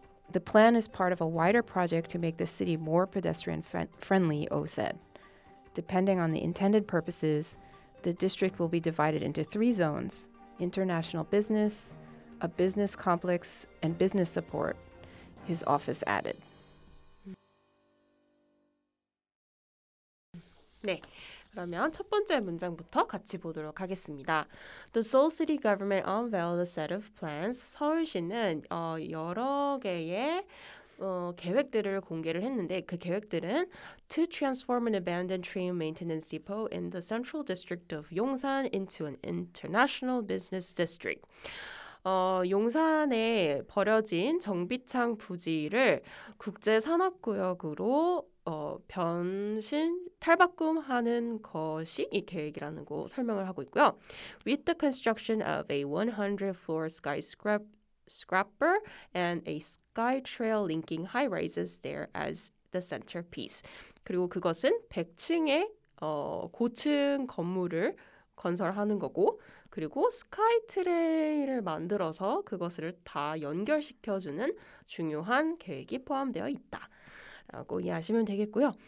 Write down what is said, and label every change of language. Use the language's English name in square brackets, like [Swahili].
[English] The plan is part of a wider project to make the city more pedestrian-friendly, Oh said. Depending on the intended purposes, the district will be divided into three zones: international business, a business complex, and business support, his office added. [Korean] 네. 그러면 첫 번째 문장부터 같이 보도록 하겠습니다. [English] The Seoul City government unveiled a set of plans. [Korean] 서울시는 여러 개의 계획들을 공개를 했는데 그 계획들은 [English] to transform an abandoned train maintenance depot in the central district of Yongsan into an international business district. [Korean] 용산에 버려진 정비창 부지를 국제산업구역으로 변신, 탈바꿈하는 것이 이 계획이라는 거 설명을 하고 있고요. [English] With the construction of a 100-floor skyscraper and a sky trail linking high-rises there as the centerpiece. [Korean] 그리고 그것은 100층의 고층 건물을 건설하는 거고 그리고 스카이트레일을 만들어서 그것을 다 연결시켜주는 중요한 계획이 포함되어 있다. 라고 이해하시면 되겠고요.